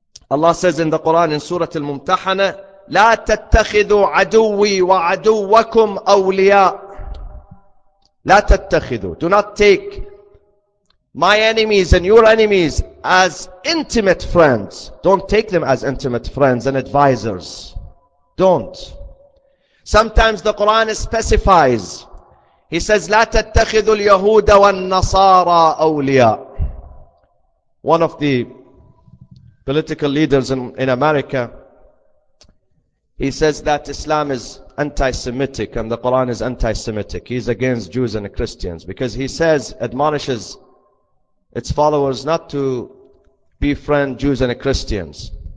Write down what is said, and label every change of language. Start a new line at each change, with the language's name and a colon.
English: Allah says in the Quran in Surah Al-Mumtahana,
Arabic: لَا تَتَّخِذُوا عَدُوِّي وَعَدُوَّكُمْ أَوْلِيَاءَ. لَا تَتَّخِذُوا.
English: Do not take my enemies and your enemies as intimate friends. Don't take them as intimate friends and advisors. Don't. Sometimes the Quran specifies. He says,
Arabic: لَا تَتَّخِذُوا الْيَهُودَ وَالنَّصَارَى أَوْلِيَاء.
English: One of the political leaders in America, he says that Islam is anti-Semitic and the Quran is anti-Semitic. He's against Jews and Christians because he says, admonishes its followers not to befriend Jews and Christians.